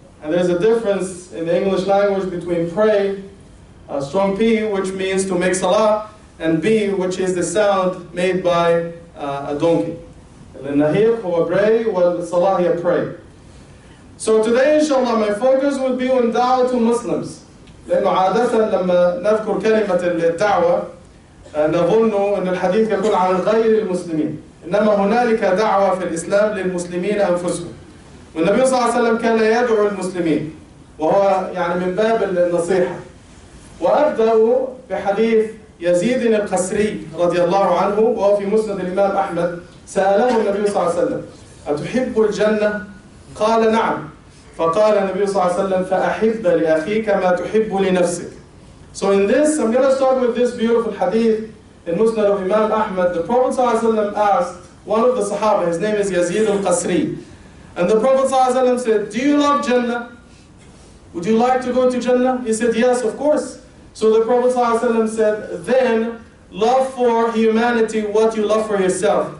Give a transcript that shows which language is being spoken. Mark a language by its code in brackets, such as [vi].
[en] And there's a difference in the English language between pray, a strong P, which means to make salah, and B, which is the sound made by a donkey. [ar] Al-Nahiq huwa bray, wal-salah huwa pray. [en] So today, inshallah, my focus will be on da'wah to Muslims. [ar] لأنه عادة لما نذكر كلمة للدعوة نظن أن الحديث يكون عن غير المسلمين، إنما هنالك دعوة في الإسلام للمسلمين أنفسهم. والنبي صلى الله عليه وسلم كان يدعو المسلمين، وهو يعني من باب النصيحة. وأبدأ بحديث يزيد القسري رضي الله عنه، وهو في مسند الإمام أحمد. سأله النبي صلى الله عليه وسلم: أتحب الجنة؟ قال: نعم. فقال النبي صلى الله عليه وسلم: فأحب لأخيك ما تحب لنفسك. [en] So in this, I'm going to start with this beautiful hadith in Musnad of Imam Ahmad. The Prophet ﷺ asked one of the Sahaba, his name is Yazid al-Qasri, and the Prophet ﷺ said, "Do you love Jannah? Would you like to go to Jannah?" He said, "Yes, of course." So the Prophet ﷺ said, "Then love for humanity what you love for yourself."